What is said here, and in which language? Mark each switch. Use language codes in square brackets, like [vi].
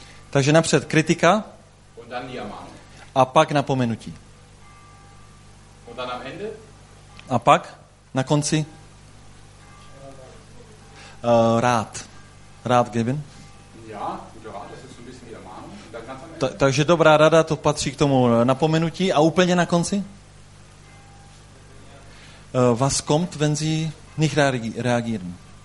[cs] Takže napřed kritika. [de] Und dann die Ermahnung. [cs] A pak napomenutí. [de] Und dann am Ende. [cs] A pak na konci. [de] Rád. Rád geben. Ja, guter Rat, das ist so ein bisschen wie Ermahnung. Und dann ganz am Ende. [cs] Takže dobrá rada, to patří k tomu napomenutí a úplně na konci. [de] Was kommt, wenn Sie nicht reagieren?